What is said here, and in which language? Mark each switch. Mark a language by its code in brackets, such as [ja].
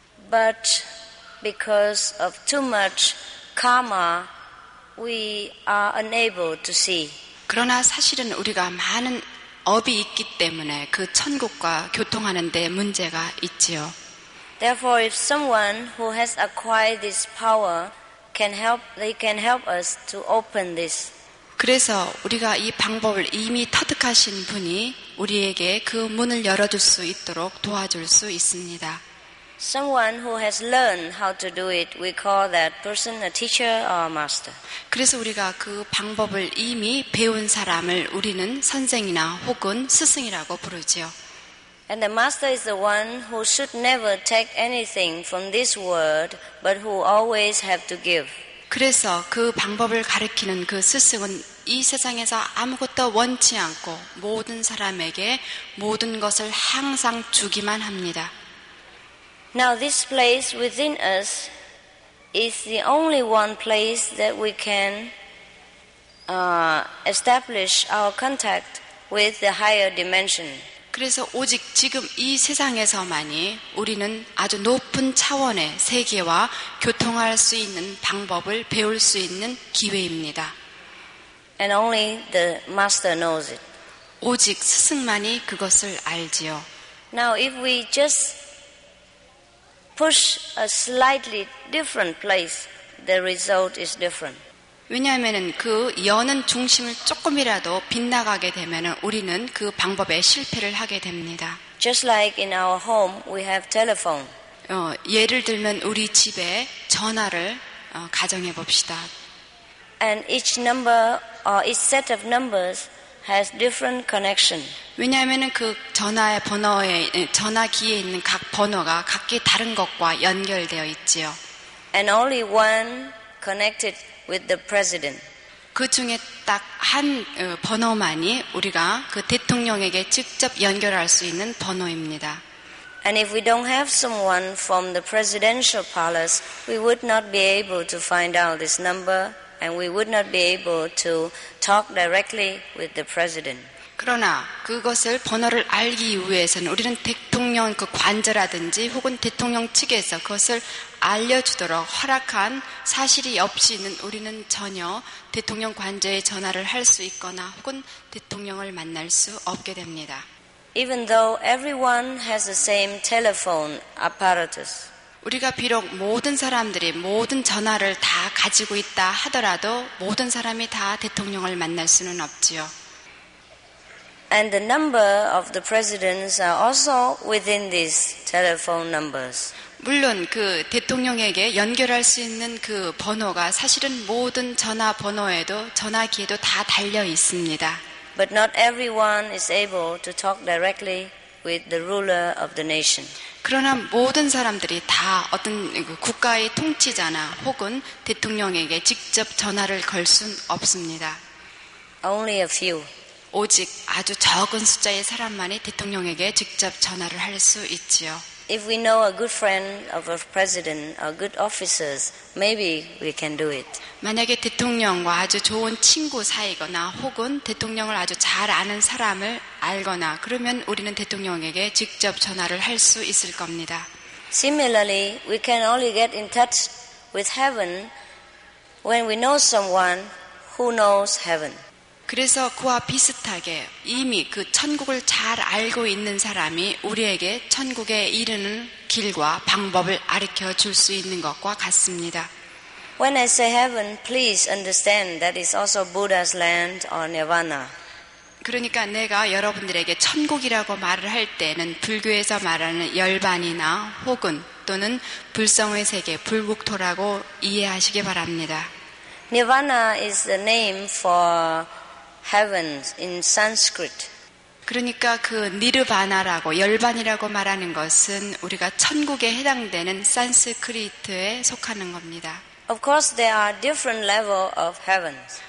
[en] But because of too much karma, we are unable to see. [ko] 그러나 사실은 우리가 많은 업이 있기 때문에 그 천국과 교통하는 데 문제가 있지요. [en] Therefore, if someone who has acquired this power can help, they can help us to open this. [ko] 그래서 우리가 이 방법을 이미 터득하신 분이 우리에게 그 문을 열어줄 수 있도록 도와줄 수 있습니다. [en] Someone who has learned how to do it, we call that person a teacher or a master. [ko] 그래서 우리가 그 방법을 이미 배운 사람을 우리는 선생이나 혹은 스승이라고 부르지요. [en] And the master is the one who should never take anything from this world, but who always have to give. [ko] 그래서 그 방법을 가르치는 그 스승은 이 세상에서 아무것도 원치 않고 모든 사람에게 모든 것을 항상 주기만 합니다. [en] Now this place within us is the only one place that we can establish our contact with the higher dimension. [ko] 그래서 오직 지금 이 세상에서만이 우리는 아주 높은 차원의 세계와 교통할 수 있는 방법을 배울 수 있는 기회입니다. [en] And only the master knows it. [ko] 오직 스승만이 그것을 알지요. [en] Now if we just push a slightly different place, the result is different. [ko] 왜냐하면 그 여는 중심을 조금이라도 빗나가게 되면 우리는 그 방법에 실패를 하게 됩니다. [en] Just like in our home, we have telephone. [ko] 예를 들면 우리 집에 전화를 가정해 봅시다. [en] And each number or each set of numbers has different connection. [ko] 왜냐하면은 그 전화의 번호에 전화기에 있는 각 번호가 각기 다른 것과 연결되어 있지요. [en] And only one connected with the president. [ko] 그 중에 딱 한 번호만이 우리가 그 대통령에게 직접 연결할 수 있는 번호입니다. [en] And if we don't have someone from the presidential palace, we would not be able to find out this number, and we would not be able to talk directly with the president. [ko] 그러나 그것을 번호를 알기 위해서는 우리는 대통령 그 관저라든지 혹은 대통령 측에서 그것을 알려주도록 허락한 사실이 없이는 우리는 전혀 대통령 관저에 전화를 할 수 있거나 혹은 대통령을 만날 수 없게 됩니다. [en] Even though everyone has the same telephone apparatus. [ko] 우리가 비록 모든 사람들이 모든 전화를 다 가지고 있다 하더라도 모든 사람이 다 대통령을 만날 수는 없지요. [en] And the number of the presidents are also within these telephone numbers. [ko] 물론 그 대통령에게 연결할 수 있는 그 번호가 사실은 모든 전화번호에도 전화기에도 다 달려 있습니다. [en] But not everyone is able to talk directly with the ruler of the nation. [ko] 그러나 모든 사람들이 다 어떤 국가의 통치자나 혹은 대통령에게 직접 전화를 걸 순 없습니다. [en] Only a few. [ko] 오직 아주 적은 숫자의 사람만이 대통령에게 직접 전화를 할 수 있지요. [en] If we know a good friend of a president or good officers, maybe we can do it. [ko] 만약에 대통령과 아주 좋은 친구 사이거나 혹은 대통령을 아주 잘 아는 사람을 알거나 그러면 우리는 대통령에게 직접 전화를 할 수 있을 겁니다. [en] Similarly, we can only get in touch with heaven when we know someone who knows heaven. [ko] 그래서 그와 비슷하게 이미 그 천국을 잘 알고 있는 사람이 우리에게 천국에 이르는 길과 방법을 가르쳐 줄 수 있는 것과 같습니다. [en] When I say heaven, please understand that is also Buddha's land or Nirvana. [ko] 그러니까 내가 여러분들에게 천국이라고 말을 할 때는 불교에서 말하는 열반이나 혹은 또는 불성의 세계, 불국토라고 이해하시기 바랍니다. [en] Nirvana is the name for heavens in Sanskrit. [ko] 그러니까 그 니르바나라고 열반이라고 말하는 것은 우리가 천국에 해당되는 산스크리트에 속하는 겁니다. [en] Of course, there are different levels of heavens.